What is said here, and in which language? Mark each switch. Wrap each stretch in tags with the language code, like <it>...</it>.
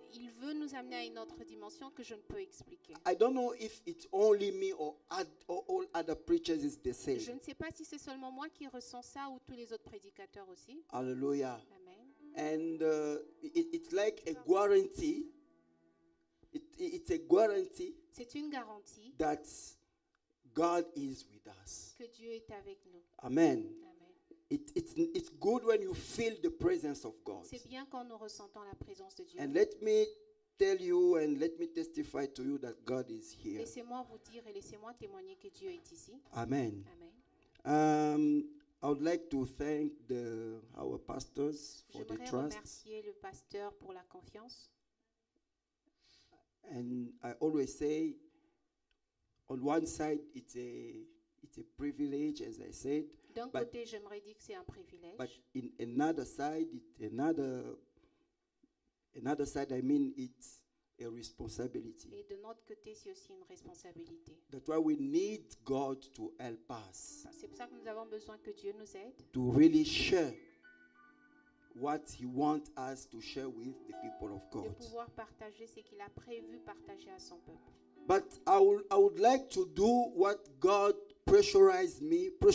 <fr>Il veut nous amener à une autre dimension que je ne peux expliquer.</fr> <en>I don't know if it's only me or all other preachers is the same.</en> <fr>Je ne sais pas si c'est seulement moi qui ressens ça ou tous les autres prédicateurs aussi. Alléluia. Amen.</fr> <en>And it's like a guarantee. It's a guarantee.</en> <fr>C'est une garantie.</fr> <en>That God is with us.</en> <fr>Que Dieu est avec nous. Amen.</fr> <en>It's good when you feel the presence of God.</en> <fr>C'est bien quand nous ressentons la présence de Dieu.</fr> <en>And let me tell you and let me testify to you that God is here.</en> <fr>Laissez-moi vous dire et laissez-moi témoigner que Dieu est ici. Amen. Amen.</fr> <en>I would like to thank our pastors for the trust.</en> <fr>J'aimerais remercier le pasteur pour la confiance.</fr> <en>And I always say, on one side it's a privilege, as I said.</en> <fr>D'un côté, j'aimerais dire que c'est un privilège.</fr> <en>But in another side, another side, I mean, it's a responsibility.</en> <fr>Et de notre côté, c'est aussi une responsabilité.</fr> <en>That's why we need God to help us.</en> <fr>C'est pour ça que nous avons besoin que Dieu nous aide.</fr> <en>To really share what He wants us to share with the people of God.</en> <fr>De pouvoir partager ce qu'il a prévu partager à son peuple.</fr> <en>But I would like to do what God pressurized me.</en>